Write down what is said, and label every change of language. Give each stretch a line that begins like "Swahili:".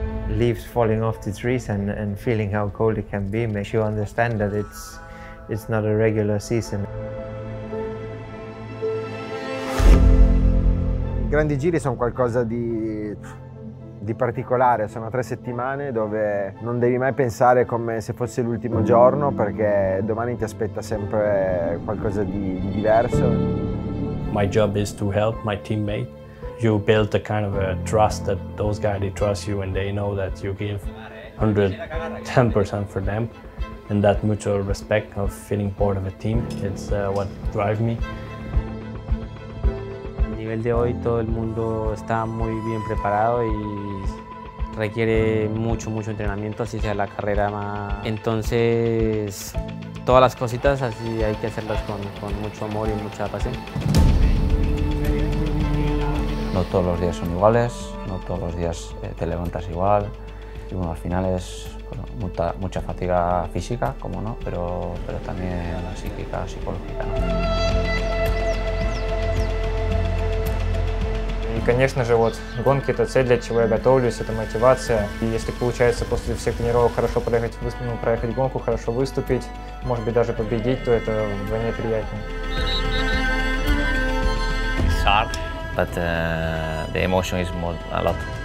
English: leaves falling off the trees and feeling how cold it can be makes you understand that it's not a regular season.
Italian: Grandi giri sono qualcosa di particolare, sono tre settimane dove non devi mai pensare come se fosse l'ultimo giorno perché domani ti aspetta sempre qualcosa di diverso.
English: My job is to help my teammate. You build a kind of a trust that those guys, they trust you and they know that you give 110% for them. And that mutual respect of feeling part of a team, it's what drives me.
Spanish: A nivel de hoy todo el mundo está muy bien preparado y requiere mucho, mucho entrenamiento, así sea la carrera más. Entonces, todas las cositas así hay que hacerlas con mucho amor y mucha pasión. No todos los días son iguales, no todos los días te levantas igual. Y bueno, al final es bueno, mucha fatiga física, como no, pero también la psíquica, la psicológica, ¿no?
Russian: И, конечно же, вот гонки – это цель, для чего я готовлюсь, это мотивация. И если получается после всех тренировок хорошо проехать гонку, хорошо выступить, может быть, даже победить, то это вдвойне приятнее.
English: It's hard, but the emotion is more, a lot.